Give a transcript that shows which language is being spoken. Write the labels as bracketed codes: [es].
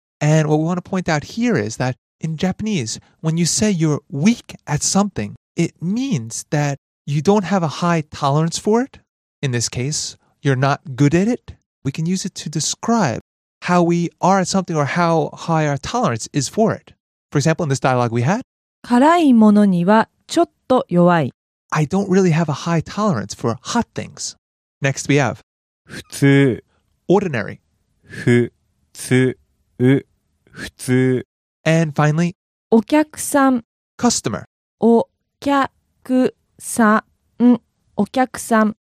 [en] And what we want to point out here is that in Japanese, when you say you're weak at something, it means that you don't have a high tolerance for it. In this case, you're not good at it. We can use it to describe how we are at something or how high our tolerance is for it. For example, in this dialogue we had, [ja] 辛いものにはちょっと弱い。 [en] I don't really have a high tolerance for hot things. Next we have [ja] 普通 [en] ordinary [ja] 普通普通 [en] And finally [ja] お客さん [en] customer [ja] お客さんお客さん